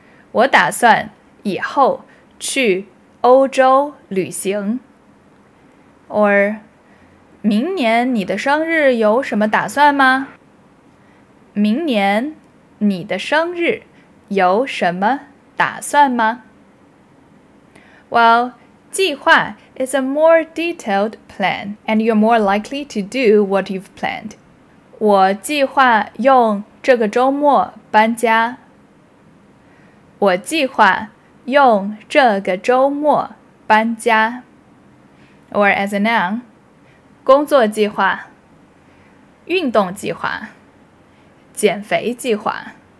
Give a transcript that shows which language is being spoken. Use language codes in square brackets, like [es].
[zh] 我打算以后去欧洲旅行。 Or, 明年你的生日有什么打算吗? 明年你的生日有什么打算吗? [en] Well, 计划 is a more detailed plan, and you're more likely to do what you've planned. [zh] 我计划用这个周末搬家。我计划用这个周末搬家。 [en] Or as a noun, [zh] 工作计划、运动计划、减肥计划。